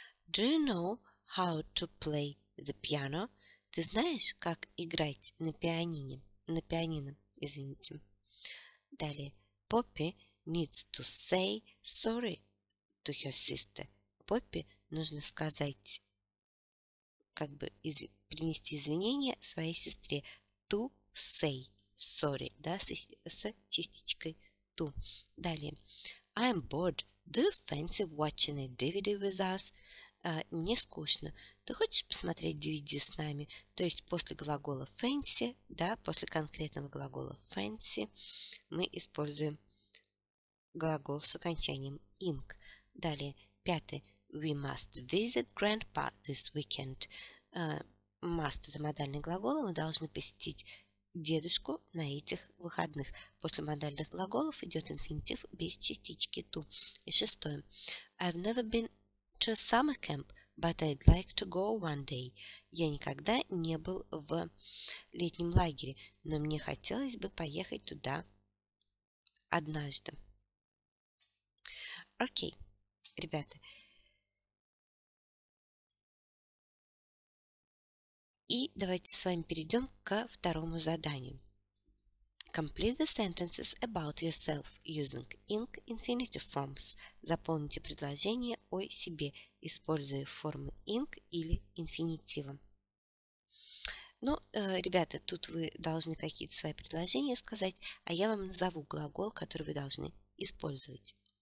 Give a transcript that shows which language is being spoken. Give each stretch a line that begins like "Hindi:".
English: Do you know how to play the piano?
Russian: Ты знаешь, как играть на пианине? На пианино, извините. Далее.
English: Poppy needs to say sorry to her sister.
Russian: Poppy нужно сказать, как бы принести извинения своей сестре.
English: To say sorry.
Russian: Да, с частичкой
English: to.
Russian: Далее.
English: I'm bored. Do you fancy watching a DVD with us?
Russian: Мне скучно. Ты хочешь посмотреть DVD с нами? То есть после глагола fancy, да, после конкретного глагола fancy мы используем глагол с окончанием ing. Далее. Пятое.
English: We must visit grandpa this weekend.
Russian: Must – это модальный глагол. Мы должны посетить дедушку на этих выходных. После модальных глаголов идет инфинитив без частички to. И шестое.
English: I've never been to a summer camp, but I'd like to go one day.
Russian: Я никогда не был в летнем лагере, но мне хотелось бы поехать туда однажды. Окей, ребята. И давайте с вами перейдем ко второму заданию.
English: Complete the sentences about yourself using ing infinitive forms.
Russian: Заполните предложение о себе, используя формы ing или инфинитива. Ну, ребята, тут вы должны какие-то свои предложения сказать, а я вам назову глагол, который вы должны использовать.